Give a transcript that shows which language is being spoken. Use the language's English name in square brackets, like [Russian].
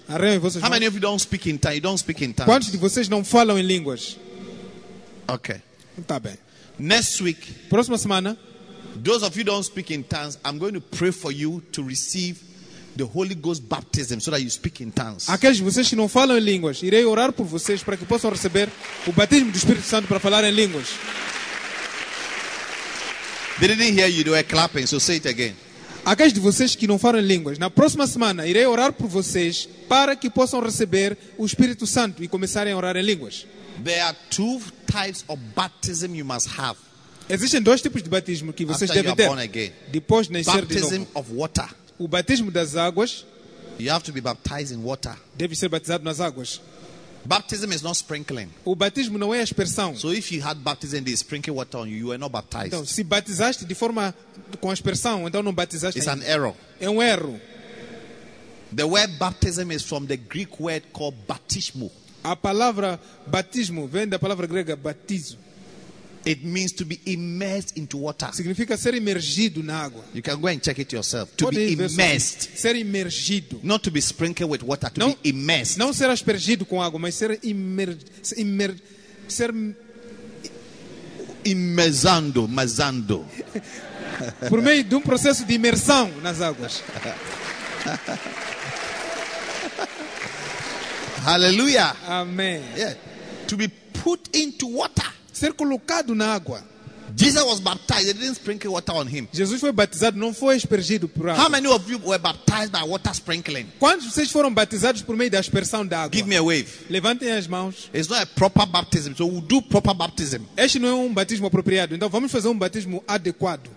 [Portuguese] Arranhem vossas [English] How [Portuguese] mãos. [English] Many of you don't speak in tongues? You don't speak in tongues. [Portuguese] Quantos de vocês não falam em línguas? [English] Okay. [Portuguese] Tá bem. [English] Next week. [Portuguese] Próxima semana. [English] Those of you who don't speak in tongues, I'm going to pray for you to receive the Holy Ghost baptism so that you speak in tongues. [Portuguese] Aqueles de vocês que não falam em línguas, irei orar por vocês para que possam receber o batismo do Espírito Santo para falar em línguas. [English] They didn't hear you, they were clapping, so say it again. [Portuguese] Aqueles de vocês que não falam em línguas, na próxima semana irei orar por vocês para que possam receber o Espírito Santo e começarem a orar em línguas. [English] There are two types of baptism you must have. [Portuguese] Existem dois tipos de batismo que vocês devem ter. Depois de nascer de novo. O batismo das águas. [English] You have to be baptized in water. [Portuguese] Deve ser batizado nas águas. [English] Baptism is not sprinkling. [Portuguese] O batismo não é aspersão. [English] So if you had baptism, they sprinkle water on you, you are not baptized. [Portuguese] Então, se batizaste de forma com aspersão, então não batizaste. [English] It's an error. [Portuguese] É um erro. [English] The word baptism is from the Greek word called baptismo. [Portuguese] A palavra batismo vem da palavra grega batizo. [English] It means to be immersed into water. [Portuguese] Significa ser imergido na água. [English] You can go and check it yourself. To be immersed. [Portuguese] Ser imergido. [English] Not to be sprinkled with water. To [Portuguese] não, [English] be immersed. [Portuguese] Não ser aspergido com água, mas ser imersando. Por meio de processo de imersão nas águas. Hallelujah. Amen. [English] Yeah. To be put into water. [Portuguese] Ser colocado na água. [English] Jesus was baptized. They didn't sprinkle water on him. [Portuguese] Jesus foi batizado, não foi aspergido por água. [English] How many of you were baptized by water sprinkling? [Portuguese] Quantos de vocês foram batizados por meio da aspersão da água? [English] Give me a wave. [Portuguese] Levantem as mãos. [English] It's not a proper baptism, so we'll do proper baptism. [Portuguese] Este não é batismo apropriado, então vamos fazer batismo adequado.